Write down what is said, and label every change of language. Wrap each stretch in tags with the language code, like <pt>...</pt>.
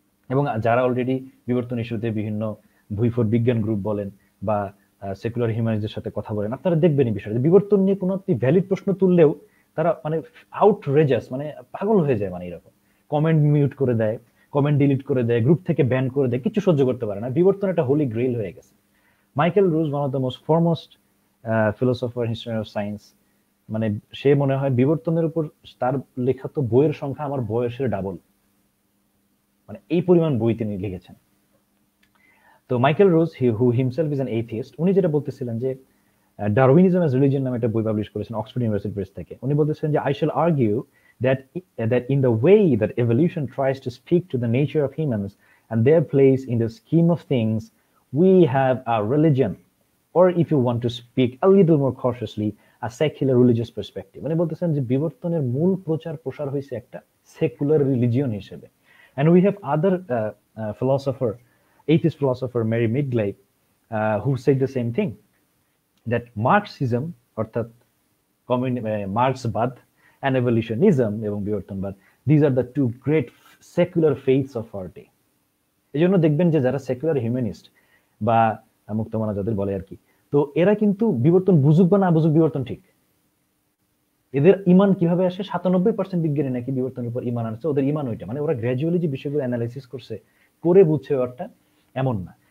<bn>এবং যারা অলরেডি বিবর্তন ইস্যুতে বিভিন্ন ভুইফোর বিজ্ঞান গ্রুপ বলেন বা সেকুলার হিউম্যানিস্টদের সাথে কথা বলেন, আপনারা দেখবেন এই বিষয়টা, বিবর্তন নিয়ে কোনো একটি ভ্যালিড প্রশ্ন তুললেও তারা মানে আউটরেজাস, মানে পাগল হয়ে যায়, মানে এরকম কমেন্ট মিউট করে দেয়, কমেন্ট ডিলিট করে দেয়, গ্রুপ থেকে ব্যান করে দেয়, কিছু সহ্য করতে পারে না, বিবর্তন একটা হোলি গ্রেইল হয়ে গেছে। Michael Ruj, one of the most foremost philosopher, historian of science, মানে সে মনে হয় বিবর্তনের উপর তার লেখা তো বইয়ের সংখ্যা আমার বয়সের ডাবল, মানে এই পরিমাণ বই তিনি লিখেছেন। তো Michael Ruj, who himself is an atheist, উনি যেটা বলতেছিলেন যে ডারউইনিজম অ্যাজ রিলিজিয়ন নামে একটা বই পাবলিশ করেছেন অক্সফোর্ড ইউনিভার্সিটি প্রেস থেকে, উনি বলতেছেন যে</bn> <en>I shall argue that in the way that evolution tries to speak to the nature of humans and their place in the scheme of things, we have a religion, or if you want to speak a little more cautiously, a secular religious perspective.</en> <bn>মানে বলতেছেন যে বিবর্তনের মূল প্রচার প্রসার হয়েছে একটা secular religion হিসেবে।</bn> <en>And we have other philosopher, atheist philosopher Mary Midgley, who said the same thing, that Marxism,</en> <bn>অর্থাৎ মার্ক্সবাদ,</bn> <en>and evolutionism,</en> <bn>এবং বিবর্তনবাদ,</bn> <en>these are the two great secular faiths of our day.</en> <bn>এই জন্য দেখবেন যে যারা secular humanist বা মুক্তমনা যাদের বলে আর কি, তো এরা কিন্তু বিবর্তন বুঝুক বা না বুঝুক বিবর্তন ঠিক, এদের ইমান কিভাবে আসে, 97% বিজ্ঞানী নাকি বিবর্তনের উপর ইমান আসছে, ওদের ইমান ওইটা, মানে ওরা গ্র্যাজুয়ালি যে বিষয়গুলো অ্যানালাইসিস করছে করে বুঝছে ব্যাপারটা এমন না।</bn>